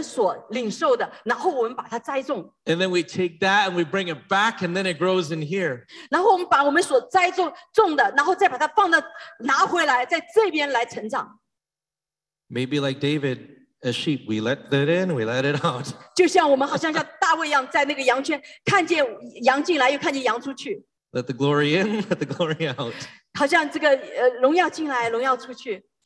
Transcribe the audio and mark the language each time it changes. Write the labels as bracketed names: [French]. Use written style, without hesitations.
[Chinese] 就是我们领受我们所领受的，然后我们把它栽种。 [English] And then we take that and we bring it back and then it grows in here. [Chinese] 然后我们把我们所栽种的，然后再把它放到拿回来，在这边来成长。 [English] Maybe like David, a sheep, we let that in, we let it out. [Chinese] 就像我们好像像大卫一样，在那个羊圈看见羊进来，又看见羊出去。 [English] Let the glory in, let the glory out. [Chinese] 好像这个荣耀进来，荣耀出去。